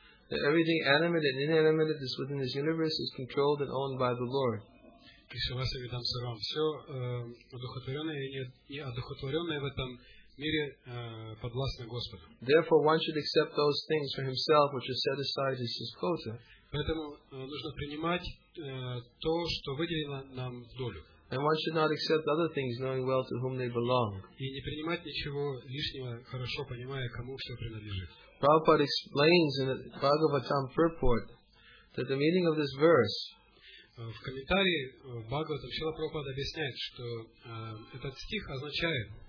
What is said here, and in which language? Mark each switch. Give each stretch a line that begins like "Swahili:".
English: That everything animate and inanimate that is within this universe is controlled and owned by the Lord.
Sanskrit: Ishivasyam idam savam.
Russian: Все одухотворенное и одухотворенное в этом мире подвластно Господу.
English: Therefore one should accept those things for himself which are set aside as his quota.
Russian: Поэтому нужно принимать то, что выделено нам в долю.
English: And one should not accept other things knowing well to whom they belong.
Russian: И не принимать ничего лишнего, хорошо понимая, кому что принадлежит.
English: Prabhupada explains in the Bhagavatam purport that the meaning of this verse.
Russian: В комментарии в Бхагаватам Шрила Прабхупада объясняет, что этот стих означает.